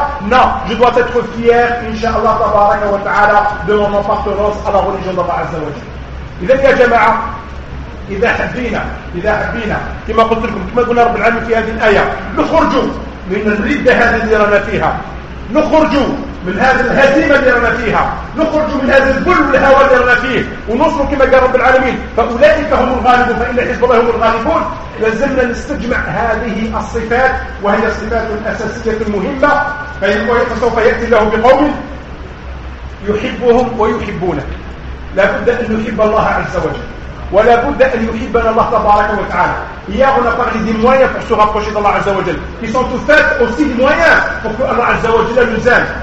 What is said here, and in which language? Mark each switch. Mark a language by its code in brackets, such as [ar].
[fr] Non, je dois être fier, Inch'Allah, tabaraka wa ta'ala, de mon appartenance à la religion d'Allah Azza wa Jalla. Il y a jama'a. [ar] إذا حبينا كما قلت لكم كما قلنا رب العالمين في هذه الآية نخرجوا من الردة هذه اللي رانا فيها نخرجوا من هذه الهزيمة اللي رانا فيها نخرجوا من هذا الذل والهوى اللي رانا فيه ونصر كما قال رب العالمين فأولئك هم الغالبون فإن حزب الله هم الغالبون لازمنا نستجمع هذه الصفات وهي الصفات الأساسية المهمة فسوف يأتي الله بقوم يحبهم ويحبونك لا بد أن يحب الله عز وجل ولا بد أن يحبنا الله تبارك وتعالى. [fr] Hier, on a parlé des moyens pour se rapprocher d'Allah Azza wa Jal. Ils sont tous faits aussi des moyens pour que Allah Azza wa Jal nous aime.